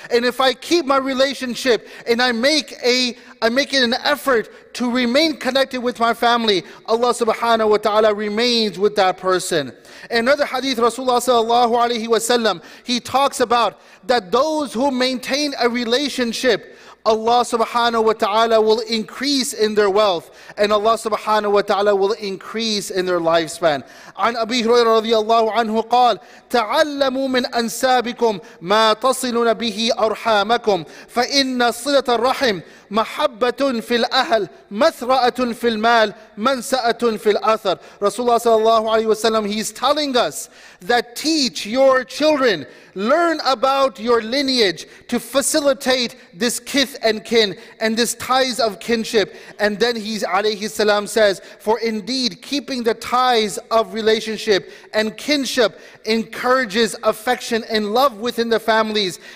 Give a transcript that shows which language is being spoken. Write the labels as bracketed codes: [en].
[en] And if I keep my relationship and I make it an effort to remain connected with my family, Allah subhanahu wa ta'ala remains with that person. Another hadith, Rasulullah sallallahu alayhi wa sallam, he talks about that those who maintain a relationship Allah subhanahu wa ta'ala will increase in their wealth, and Allah subhanahu wa ta'ala will increase in their lifespan. [ar] عن أبي هريرة رضي الله عنه قال تعلموا من أنسابكم ما تصلون به أرحامكم فإن صلة الرحم محبة في الأهل مثراة في المال منسأة في الأثر. رسول الله صلى الله عليه وسلم, [en] he's telling us that teach your children, learn about your lineage to facilitate this kith and kin and this ties of kinship. And then he's alayhi salam says, for indeed keeping the ties of relationship and kinship encourages affection and love within the families.